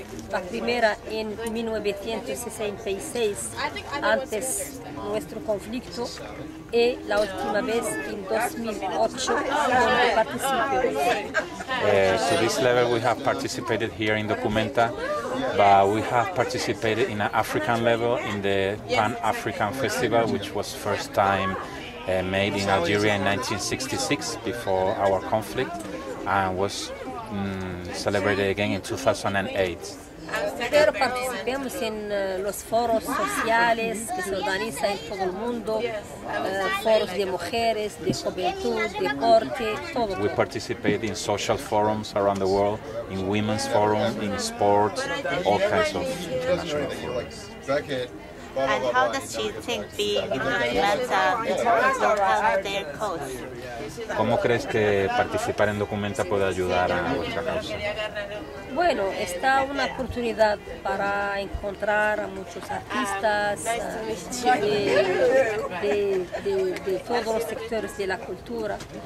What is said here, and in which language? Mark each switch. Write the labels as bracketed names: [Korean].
[Spanish] La primera en 1966, antes nuestro conflicto, y la última vez en 2008, donde participé. [English] So this level we have participated here in Documenta, but we have participated in an African level in the Pan-African Festival, which was first time made in Algeria in 1966, before our conflict, and was celebrated again in 2008. [Spanish] Pero participemos en los foros sociales que se organizan en todo el mundo, foros de mujeres, de juventud, de deporte, todo. [English] We participate in social forums around the world, in women's forums, in sports, all kinds of international forums. And how does she think being their cause? [Spanish] ¿Cómo crees que participar en Documenta puede ayudar a vuestra causa? Bueno, está una oportunidad para encontrar a muchos artistas de todos los sectores de la cultura.